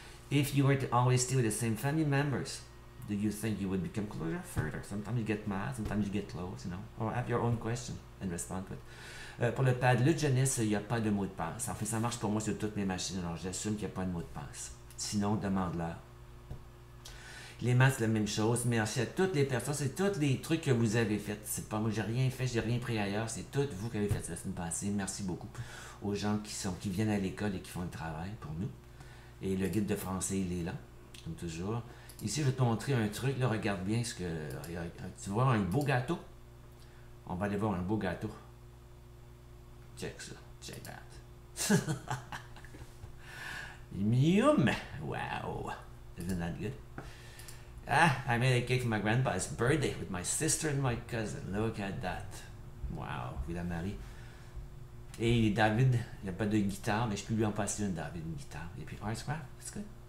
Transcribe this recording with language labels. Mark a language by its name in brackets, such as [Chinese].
[English] If you were to always stay with the same family members, do you think you would become closer further? Sometimes you get mad, sometimes you get close, you know? Or have your own question and respond to it. [French] Pour le Padlet jeunesse, il n'y a pas de mot de passe. En fait, ça marche pour moi sur toutes mes machines, alors j'assume qu'il n'y a pas de mot de passe. Sinon, demande-leur. Les maths, la même chose. Merci à toutes les personnes. C'est tous les trucs que vous avez faits. C'est pas moi, j'ai rien fait, j'ai rien pris ailleurs. C'est tout vous qui avez fait la semaine passée. Merci beaucoup aux gens qui viennent à l'école et qui font le travail pour nous. Et le guide de français, il est là, comme toujours. Ici, je vais te montrer un truc. Là, regarde bien ce que. Tu vois un beau gâteau? On va aller voir un beau gâteau. [English] Check ça. Check that. Mium! Wow! Isn't that good? Ah, I made a cake for my grandpa's birthday with my sister and my cousin. Look at that. Wow, [French] il a Marie. Et David, il n'y a pas de guitare, mais je peux lui en passer une, David, une guitare. Et puis, Art Scrap, c'est good.